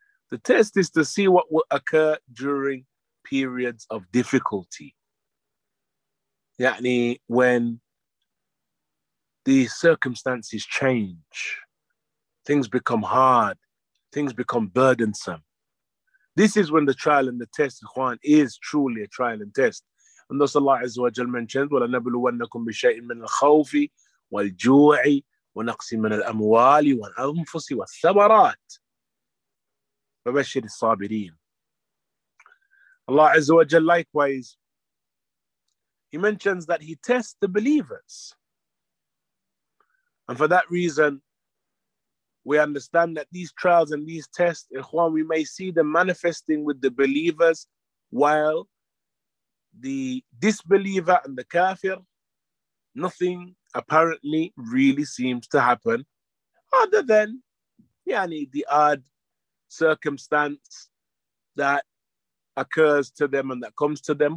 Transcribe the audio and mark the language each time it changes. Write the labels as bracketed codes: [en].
[en] The test is to see what will occur during periods of difficulty. Yani when the circumstances change, things become hard, things become burdensome. This is when the trial and the test, ikhwan, is truly a trial and test. And thus Allah Azza wa Jal mentions, [ar] وَلَنَبْلُوَنَّكُمْ بِشَيْءٍ مِّنَ الْخَوْفِ وَالْجُوعِ وَنَقْسٍ مِّنَ الْأَمْوَالِ وَالْأَنفُسِ وَالثَّمَرَاتِ فَبَشِّرِ الصَّابِرِينَ. [en] Allah Azza wa Jal likewise, He mentions that He tests the believers. And for that reason, we understand that these trials and these tests, ikhwan, we may see them manifesting with the believers while the disbeliever and the kafir, nothing apparently really seems to happen other than yani the odd circumstance that occurs to them and that comes to them.